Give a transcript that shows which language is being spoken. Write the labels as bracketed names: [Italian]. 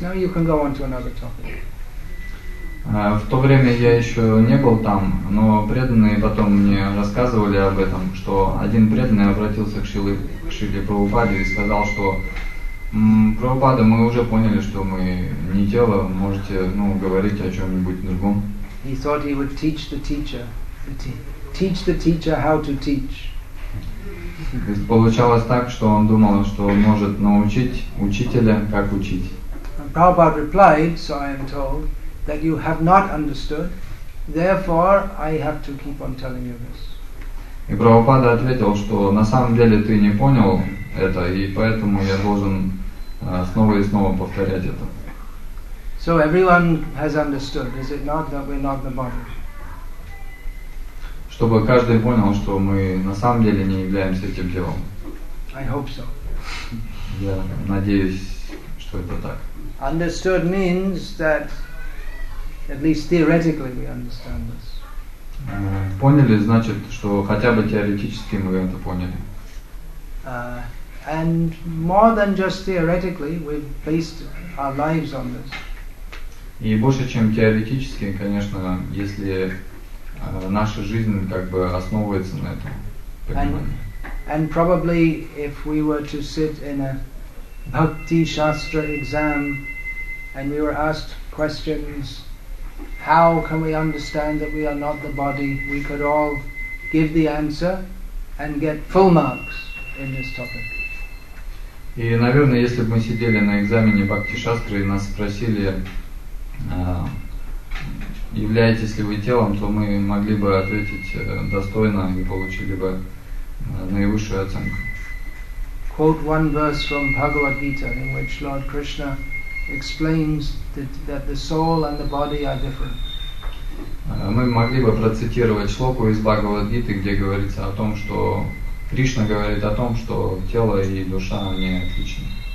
[English] Now you can go on to another topic. [Russian] В то время я еще не был там, но преданные потом мне рассказывали об этом, что один преданный обратился к Шриле Прабхупаде и сказал, что Прабхупада, мы уже поняли, что мы не тело, можете говорить о чем-нибудь другом. [English] He thought he would teach the teacher how to teach. [Russian] Получалось так, что он думал, что он может научить учителя, как учить. [English] Prabhupada replied, so I am told, that you have not understood, therefore I have to keep on telling you this. [Russian] И Прабхупада ответил, что на самом деле ты не понял это, и поэтому я должен снова и снова повторять это. [English] So everyone has understood, is it not, that we're not the body? [Russian] Чтобы каждый понял, что мы на самом деле не являемся этим телом. [English] I hope so. [Russian] Я надеюсь, что это так. [English] Understood means that at least theoretically we understand this. [Russian] Поняли, значит, что хотя бы теоретически мы это поняли. [English] And more than just theoretically, we've based our lives on this. [Russian] И больше, чем теоретически, конечно, если наша жизнь как бы основывается на этом понимании. [English] And probably if we were to sit in a bhakti shastra exam and we were asked questions, how can we understand that we are not the body? We could all give the answer and get full marks in this topic. [Russian] И, наверное, если бы мы сидели на экзамене бхакти-шастры и нас спросили, являетесь ли вы телом, то мы могли бы ответить достойно и получили бы наивысшую оценку. [English] Quote one verse from Bhagavad Gita, in which Lord Krishna explains that the soul and the body are different. [Russian] Мы могли бы процитировать шлоку из Бхагавад-гиты, где говорится о том, что Кришна говорит о том, что тело и душа не отличны.